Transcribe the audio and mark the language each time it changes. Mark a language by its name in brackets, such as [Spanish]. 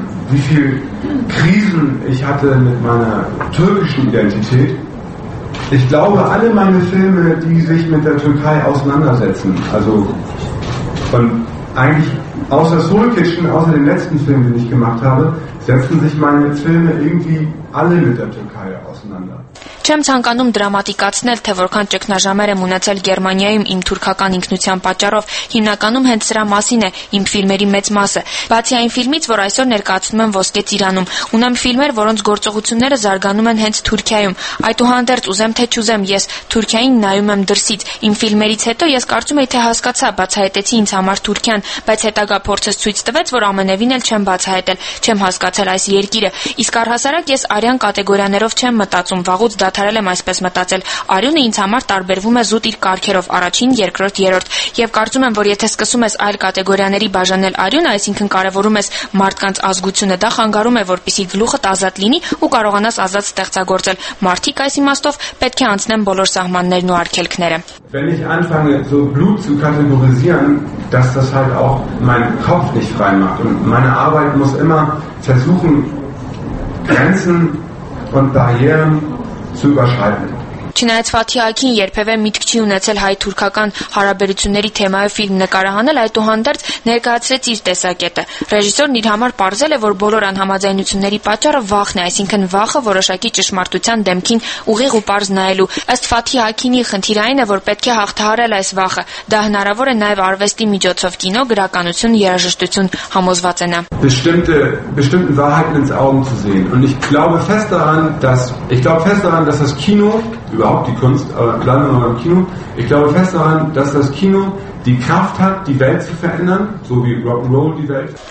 [German] Wie viel Krisen ich hatte mit meiner türkischen Identität. Ich glaube, alle meine Filme, die sich mit der Türkei auseinandersetzen, also von eigentlich außer Soul Kitchen, außer den letzten Film, den ich gemacht habe, setzen sich meine Filme irgendwie alle mit der Türkei auseinander. [Armenian] Չեմ ցանկանում դրամատիկացնել, թե որքան ճգնաժամեր եմ ունեցել Գերմանիայում իմ թուրքական ինքնության պատճառով, հիմնականում հենց սրա մասին է իմ ֆիլմերի մեծ մասը։ Բացի այն ֆիլմից, որ այսօր ներկայացնում եմ Ոսկե ծիրանում, ունեմ ֆիլմեր, որոնց գործողությունները զարգանում են հենց Թուրքիայում։ Այդուհանդերձ, ուզեմ թե չուզեմ, ես Թուրքիային նայում եմ դրսից։ Իմ ֆիլմերից հետո ես կարծում եի, թե հասկացա, բացահայտեցի ինձ համար Թուրքիան, բայց հետագա փորձս ցույց տվեց, որ ամենևին էլ չեմ բացահայտել, չեմ հասկացել այս երկիրը, իսկ առհասարակ ես արյան կատեգորիաներով չեմ մտածում, վաղուց դաթարել եմ այսպես մտածել։ Արյունը ինձ համար տարբերվում է զուտ իր կարգերով առաջին, երկրորդ, երրորդ, և կարծում եմ, որ եթե սկսում ես այլ կատեգորիաների բաժանել արյունը, այսինքն կարևորում ես մարդկանց ազգությունը, դա խանգարում է, որպեսզի գլուխդ ազատ լինի ու կարողանաս ազատ ստեղծագործել։ Մարդիկ այս իմաստով պետք է անցնեն բոլոր սահմաններն ու արգելքները։ [German] Wenn ich anfange so Blut zu kategorisieren, dass das halt auch mein Kopf nicht frei macht und meine Arbeit muss immer versuchen Grenzen und Barrieren zu überschreiten. [Armenian] Չնայած Ֆաթիհակին երբևէ միտք չի ունեցել հայ-թուրքական հարաբերությունների թեմայով ֆիլմ նկարահանել, այդուհանդերձ ներկայացրեց իր տեսակետը։ Ռեժիսորն իր համար պարզել է, որ բոլոր անհամաձայնությունների պատճառը վախն է, այսինքն վախը որոշակի ճշմարտության դեմքին ուղիղ ու պարզ նայելու։ Ըստ Ֆաթիհակինի խնդիր այն է, որ պետք է հաղթահարել այս վախը։ Դա հնարավոր է նաև արվեստի միջոցով՝ կինո, գրականություն, երաժշտություն համոզված ենա։ [German] Bestimmten Wahrheiten ins Auge zu sehen. Und ich glaube fest daran, dass das Kino, überhaupt die Kunst, aber bleiben wir mal im Kino, ich glaube fest daran, dass das Kino die Kraft hat, die Welt zu verändern, so wie Rock'n'Roll die Welt.